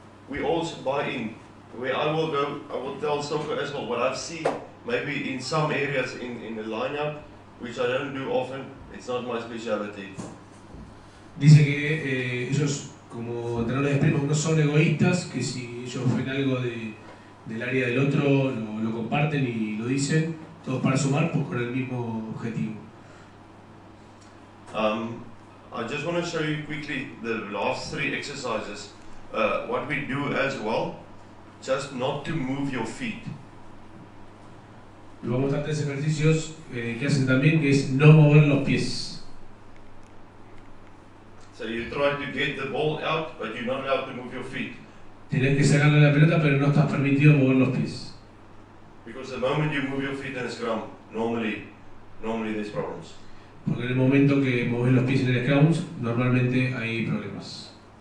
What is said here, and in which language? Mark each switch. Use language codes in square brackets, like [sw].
[en] We all buy in. I will tell Stokkers as well what I've seen, maybe in some areas in the lineup, which I don't do often, it's not my speciality. [es] Dice que ellos, como entrenadores de Springboks, no son egoístas, que si ellos ven algo del área del otro, lo comparten y lo dicen, todos para sumar, pues con el mismo objetivo. [en] I just want to show you quickly the last three exercises what we do as well, just not to move your feet. [es] Luego bastantes ejercicios que hacen también que es no mover los pies. [en] So you try to get the ball out, but you're not allowed to move your feet. [es] Tienes que sacarle la pelota, pero no estás permitido mover los pies. [en] Because the moment you move your feet in the scrum, normally there's problems. [es] Porque en el momento que mueves los pies en el scrum, normalmente hay problemas.